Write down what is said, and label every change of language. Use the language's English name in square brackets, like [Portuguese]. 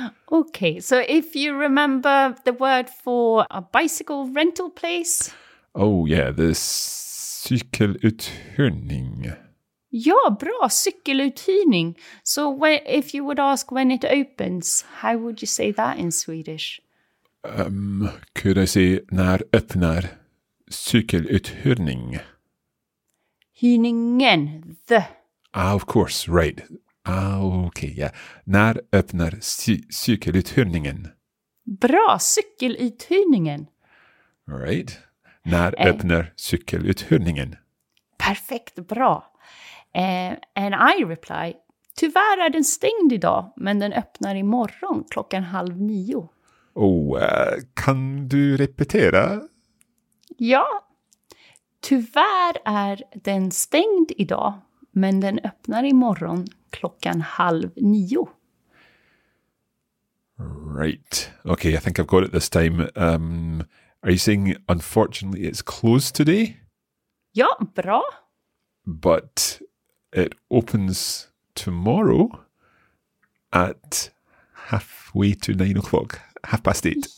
[English] Okay, so if you remember the word for a bicycle rental place. Oh, yeah, the cykeluthyrning. [Swedish] Ja, bra, cykeluthyrning. [English] So if you would ask when it opens, how would you say that in Swedish? Could I say [Swedish] när öppnar cykeluthyrning? Hyningen, the. [English] Ah, of course, right. [Swedish] Okej, ja. När öppnar cykeluthyrningen? Bra, cykeluthyrningen. [English] Right. [Swedish] När öppnar cykeluthyrningen? Perfekt, bra. [English] And I reply, [Swedish] tyvärr är den stängd idag, men den öppnar imorgon 8:30. Kan du repetera? Ja. Tyvärr är den stängd idag, men den öppnar imorgon 8:30. [English] Right. Okay, I think I've got it this time. Are you saying, unfortunately, it's closed today? [Swedish] Ja, bra. [English] But it opens tomorrow at 9:30, 8:30.